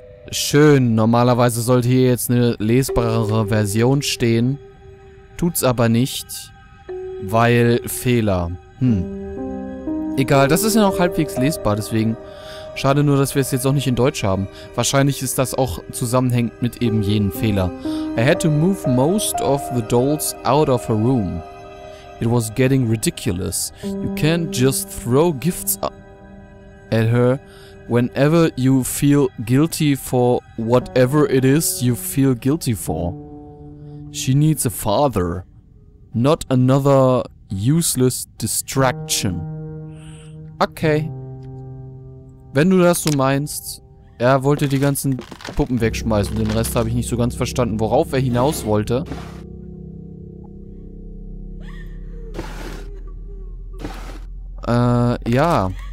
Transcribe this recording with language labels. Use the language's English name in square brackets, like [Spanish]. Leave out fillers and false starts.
[German] Schön, normalerweise sollte hier jetzt eine lesbarere Version stehen. Tut's aber nicht. Weil Fehler. Egal, das ist ja noch halbwegs lesbar, deswegen schade nur, dass wir es jetzt auch nicht in Deutsch haben. Wahrscheinlich ist das auch zusammenhängend mit eben jenem Fehler. [English] I had to move most of the dolls out of her room. It was getting ridiculous. You can't just throw gifts at her whenever you feel guilty for whatever it is you feel guilty for. She needs a father, not another useless distraction. Okay. [German] Wenn du das so meinst, er wollte die ganzen Puppen wegschmeißen. Den Rest habe ich nicht so ganz verstanden, worauf er hinaus wollte. Ja.